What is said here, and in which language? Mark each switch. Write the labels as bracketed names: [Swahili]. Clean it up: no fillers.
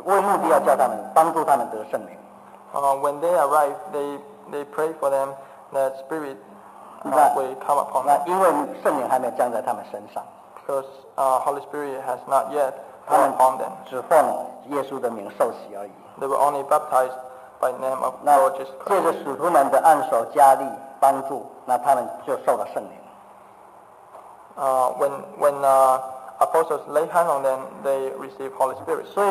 [Chinese] 那他们两个到那里为他们祷告，为目的要叫他们帮助他们得圣灵。 [English] When they arrived, they pray for them that Spirit will come upon them. [Chinese] 那因为圣灵还没有降在他们身上， [English] because Holy Spirit has not yet come upon them. [Chinese] 只奉耶稣的名受洗而已。 [English] They were only baptized by the name of Lord Jesus Christ. [Chinese] 借着使徒们的按手加力帮助，那他们就受了圣灵。 [English] When apostles lay hands on them, they received Holy Spirit.